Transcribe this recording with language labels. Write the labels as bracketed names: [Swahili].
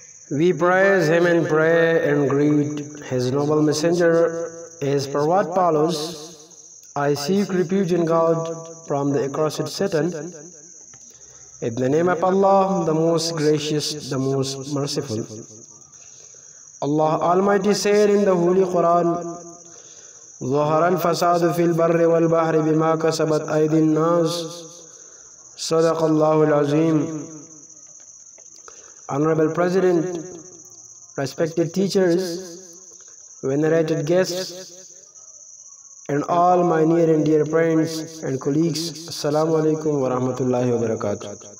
[English] We praise him and pray and greet his noble messenger as per what follows. I seek refuge in God from the accursed Satan. In the name of Allah, the most gracious, the most merciful. Allah Almighty said in the Holy Quran, [Arabic] ظهر الفساد في البر والبحر بما كسبت أيدي الناس صدق الله العظيم. [English] Honorable President, respected teachers, venerated guests, and all my near and dear friends and colleagues, Assalamu alaikum wa rahmatullahi wa barakatuh.